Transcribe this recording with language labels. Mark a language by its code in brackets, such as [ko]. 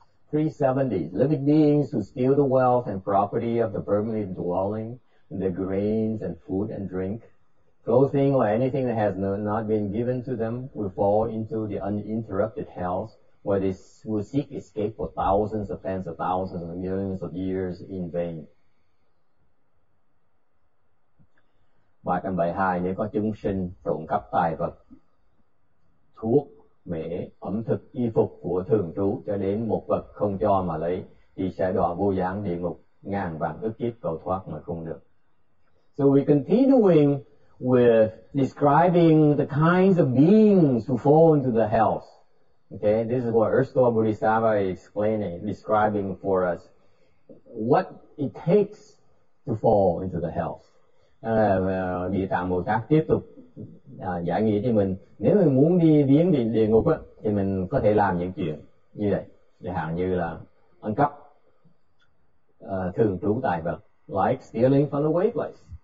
[en] Pre-70s, living beings who steal the wealth and property of the permanent dwelling, the grains and food and drink, clothing or anything that has not been given to them will fall into the uninterrupted hells where they will seek escape for thousands of tens of thousands of millions of years in vain. [vi] Bài 72, nếu có chúng sinh trộm cắp tài vật, thuốc, mễ, ẩm thực, y phục của thường trú cho đến một vật không cho mà lấy, thì sẽ đọa vô gián địa ngục, ngàn vạn ức kiếp cầu thoát mà không được. [en] So we continuing with describing the kinds of beings who fall into the hells. Okay, this is what Earth Store Bodhisattva is explaining, describing for us what it takes to fall into the hells. [vi] Địa Tạng Bồ Tát tiếp tục giải nghĩa cho mình, nếu mình muốn đi viếng địa ngục á, thì mình có thể làm những chuyện như vậy, chẳng hạn như là ăn cắp thường trú tài vật, [en] like stealing from the wave place.